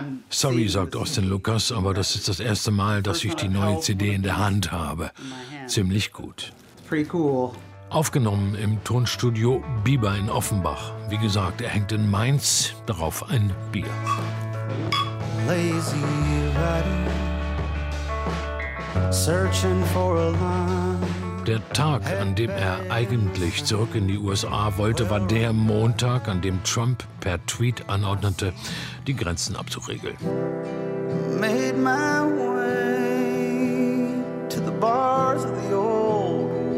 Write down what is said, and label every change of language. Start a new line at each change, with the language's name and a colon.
German: Sorry, sagt Austin Lucas, aber das ist das erste Mal, dass ich die neue CD in der Hand habe. Ziemlich gut. Aufgenommen im Tonstudio Bieber in Offenbach. Wie gesagt, er hängt in Mainz, darauf ein Bier.
English: Lazy riding, searching for a line.
German: Der Tag, an dem er eigentlich zurück in die USA wollte, war der Montag, an dem Trump per Tweet anordnete, die Grenzen abzuriegeln.
English: Made my way to the bars of the old.